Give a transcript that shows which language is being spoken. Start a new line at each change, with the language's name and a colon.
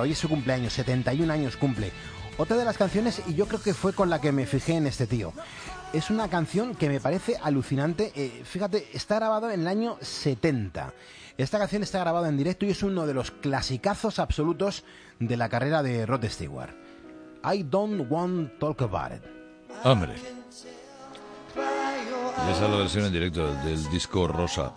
Spanish: Hoy es su cumpleaños, 71 años cumple. Otra de las canciones, y yo creo que fue con la que me fijé en este tío, es una canción que me parece alucinante. Fíjate, está grabado en el año 70. Esta canción está grabada en directo y es uno de los clasicazos absolutos de la carrera de Rod Stewart.
English: I don't want to talk about it.
Spanish: Hombre. Esa es la versión en directo del disco Rosa.